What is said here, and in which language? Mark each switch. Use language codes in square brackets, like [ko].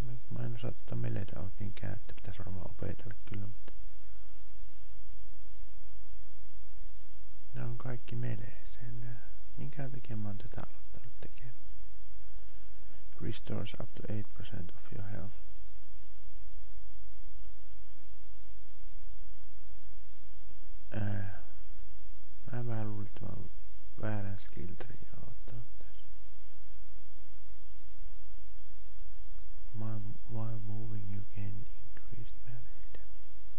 [fi] Mä en osaa tuota meleitä oikein käyttää. Pitäisi varmaan opetella kyllä, mutta. Nämä on kaikki meleeseen. Minkä takia mä oon tätä aloittanut? [en] Restores up to 8% of your health. [fi] Mä en vähän luulin, että mä oon väärän skill tree aloittanut tässä. [en] While moving you can increase melee damage.